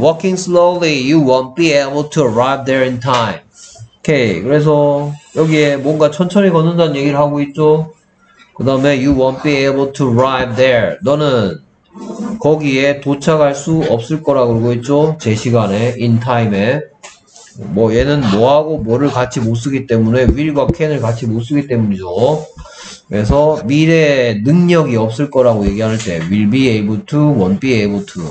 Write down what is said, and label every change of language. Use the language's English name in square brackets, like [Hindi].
[English] Walking slowly, you won't be able to arrive there in time. [Korean] 오케이, 그래서 여기에 뭔가 천천히 걷는다는 얘기를 하고 있죠? 그 다음에, [English] you won't be able to arrive there. [Korean] 너는 거기에 도착할 수 없을 거라 그러고 있죠? 제 시간에, in time에. 뭐 얘는 뭐하고 뭐를 같이 못 쓰기 때문에 will과 can을 같이 못 쓰기 때문이죠. 그래서 미래에 능력이 없을 거라고 얘기하는 때 [English] will be able to, won't be able to.